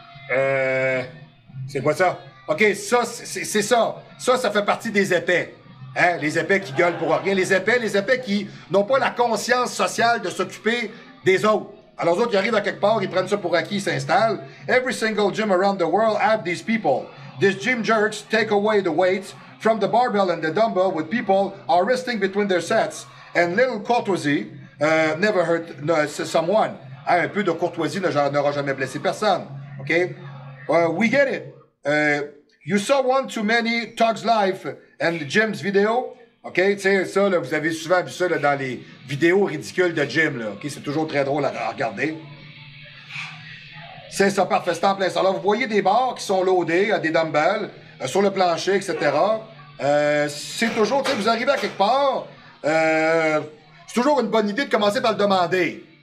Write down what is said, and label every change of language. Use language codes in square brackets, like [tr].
[fr] C'est quoi ça? OK, ça, c'est ça. Ça, ça fait partie des épais. Hein? Les épais qui gueulent pour rien. Les épais qui n'ont pas la conscience sociale de s'occuper des autres. Alors, les autres, ils arrivent à quelque part, ils prennent ça pour acquis, ils s'installent. [en] Every single gym around the world have these people. These gym jerks take away the weights from the barbell and the dumbbell with people are resting between their sets. And little courtoisy never hurt someone. [fr] Hein, un peu de courtoisie n'aura jamais blessé personne. [en] OK? We get it. You saw one too many Talks Life and Jim's video. OK? [fr] Tu sais, ça, là, vous avez souvent vu ça là, dans les vidéos ridicules de Jim. Là, OK? C'est toujours très drôle à regarder. C'est ça, parfait. C'est en plein ça. Alors, vous voyez des barres qui sont loadées, des dumbbells, sur le plancher, etc. C'est toujours, tu sais, vous arrivez à quelque part. C'est toujours une bonne idée de commencer par le demander.